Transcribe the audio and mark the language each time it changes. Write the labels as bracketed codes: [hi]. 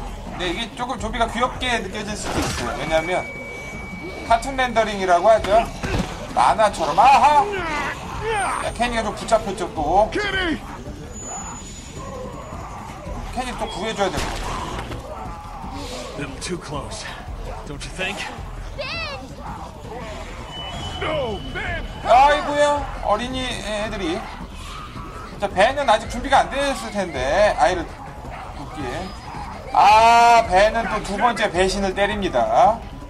[ko] 근데 이게 조금 좀비가 귀엽게 느껴질 수도 있어요. 왜냐면, 카툰 렌더링이라고 하죠. 만화처럼. 아하! 야, 캐니가 좀 붙잡혔죠, 또. 캐니! 캐니 또 구해줘야 될 것 같아. [en] Little too close, don't you think? Ben! No, Ben! [ko] 아이고야, 어린이 애들이. 자, 벤은 아직 준비가 안 됐을 텐데, 아이를 굽기에. 아, 벤은 또 두 번째 배신을 때립니다.